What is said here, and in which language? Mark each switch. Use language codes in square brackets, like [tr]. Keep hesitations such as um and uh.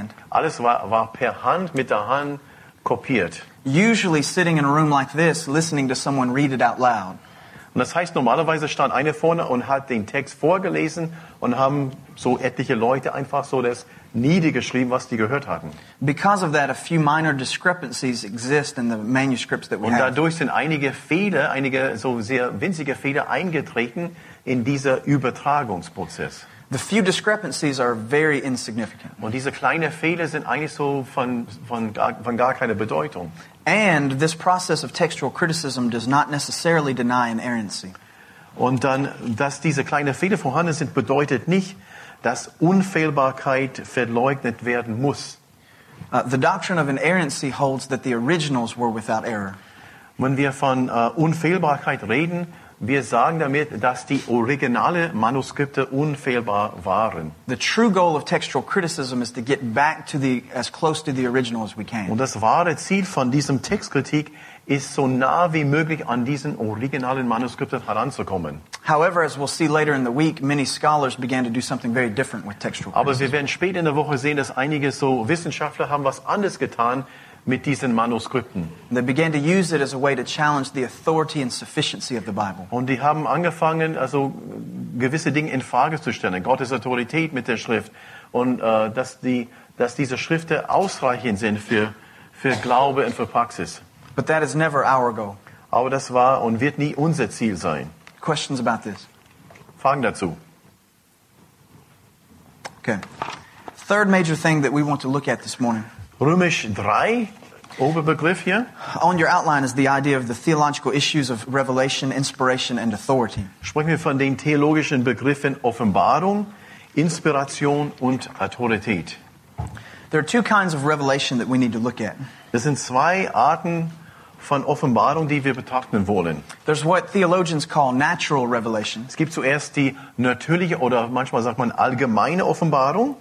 [de] Alles war, war per Hand mit der Hand kopiert. [en] Usually sitting in a room like this, listening to someone read it out loud. [de] Und das heißt, normalerweise stand einer vorne und hat den Text vorgelesen und haben so etliche Leute einfach so das niedergeschrieben, was die gehört hatten. [en] Because of that, a few minor discrepancies exist in the manuscripts [de] Und dadurch sind einige Fehler, einige so sehr winzige Fehler eingetreten. in dieser Übertragungsprozess. [en] The few discrepancies are very insignificant. [de] Und diese kleinen Fehler sind eigentlich so von, von gar, von gar keiner Bedeutung. [en] And this process of textual criticism does not necessarily deny inerrancy. [de] Und dann, dass diese kleinen Fehler vorhanden sind, bedeutet nicht, dass Unfehlbarkeit verleugnet werden muss. [en] Uh, the doctrine of inerrancy holds that the originals were without error. [de] Wenn wir von uh, Unfehlbarkeit reden, Wir sagen damit, dass die originale Manuskripte unfehlbar waren. [en] The true goal of textual criticism is to get back to the as close to the original as we can. [de] Und das wahre Ziel von diesem Textkritik ist so nah wie möglich an diesen originalen Manuskripten heranzukommen. [en] However, as we'll see later in the week, many scholars began to do something very different with textual criticism. [de] Aber wir werden später in der Woche sehen, dass einige so Wissenschaftler haben was anderes getan mit diesen Manuskripten. [en] And they began to use it as a way to challenge the authority and sufficiency of the Bible. [de] Und haben angefangen, also gewisse Dinge in Frage zu stellen, Gottes Autorität mit der Schrift und uh, dass die dass diese Schriften ausreichend sind für für Glaube und für Praxis. [en] But that is never our goal. [de] Aber das war und wird nie unser Ziel sein. [en] Questions about this. [de] Fragen dazu. [en] Okay. Third major thing that we want to look at this morning. [de] Drei, [en] On your outline is the idea of the theological issues of revelation, inspiration and authority. I'm speaking of the theological terms Offenbarung, Inspiration and authority. There are two kinds of revelation that we need to look at. There are two kinds of revelation that we need to look at. [de] von Offenbarung, die wir betrachten wollen. [en] There's what theologians call natural revelation. [de] Es gibt zuerst die natürliche oder manchmal sagt man allgemeine Offenbarung.